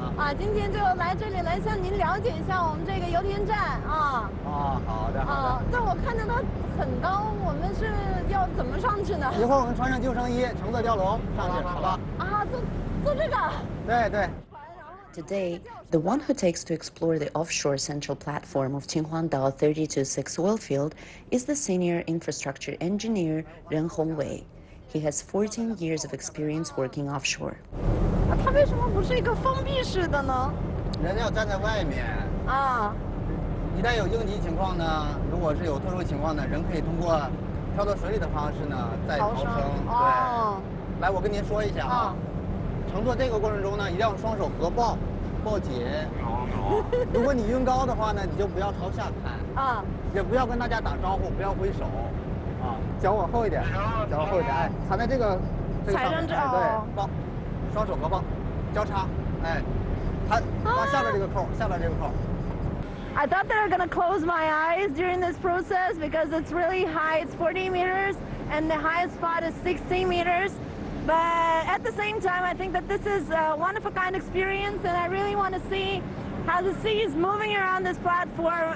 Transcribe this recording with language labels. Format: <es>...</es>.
<zh>啊，今天就来这里来向您了解一下我们这个油田站啊。哦，好的。但我看见它很高，我们是要怎么上去呢？一会儿我们穿上救生衣，乘坐吊笼上去，好吧？啊，坐这个？对。</zh> <en>Today, the one who takes to explore the offshore central platform of Qinhuangdao 32-6 oil field is the senior infrastructure engineer Ren Hongwei. He has 14 years of experience working offshore. Why is it not a closed door? People have to stand outside. Ah. If there is a emergency situation, if there is a special situation, people can escape through the water. Yes. Come, I will tell you. Ah.</en> <zh>乘坐这个过程中呢，一定要双手合抱，抱紧。如果你晕高的话呢，你就不要朝下看。啊。也不要跟大家打招呼，不要挥手。啊。脚往后一点。脚往后一点，哎，踩在这个上。踩上这。对。抱，双手合抱，交叉，哎，抱下边这个扣，下边这个扣。</zh> <en>I thought that I'm gonna close my eyes during this process because it's really high. It's 40 meters, and the highest spot is 16 meters. But at the same time, I think that this is a one-of-a-kind experience, and I really want to see how the sea is moving around this platform.</en>